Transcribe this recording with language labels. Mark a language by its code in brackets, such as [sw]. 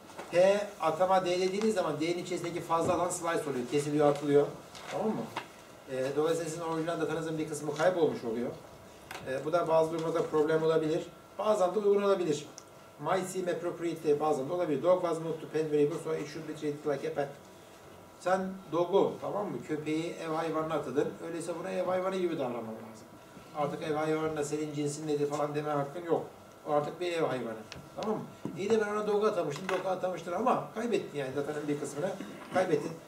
[tr] P atama denediğiniz zaman D'nin içerisindeki fazla alan slice oluyor, kesiliyor, atılıyor. Tamam mı? Dolayısıyla sizin orijinal datanızın bir kısmı kaybolmuş oluyor. Bu da bazı durumlarda problem olabilir. Bazen de uygun olabilir. [en] Might seem appropriate [tr] diye bazen de olabilir. [en] Dog was moved to pen variable, so it should be treated like a pet. [tr] Sen dog'u, tamam mı? Köpeği ev hayvanına atadın. Öyleyse buna ev hayvanı gibi davranman lazım. Artık ev hayvanına senin cinsin nedir falan deme hakkın yok. O artık bir ev hayvanı. Tamam mı? İyi de ben ona dog'u atamıştım. Dog'u atamıştır ama kaybettin yani datanın bir kısmını. Kaybettin.